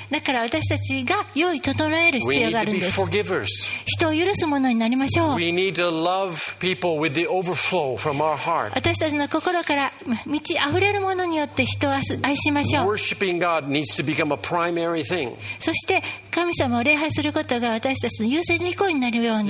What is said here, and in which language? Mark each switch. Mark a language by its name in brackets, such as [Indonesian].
[Japanese] だから私たちが良い整える必要があるんです。 [English] We need to be forgivers. [Japanese] 人を許すものになりましょう。 [English] We need to love people with the overflow from our heart. [Japanese] 私たちの心から満ち溢れるものによって人を愛しましょう。 [English] Worshiping God needs to become a primary thing. [Japanese] そして神様を礼拝することが私たちの優先事項になるように。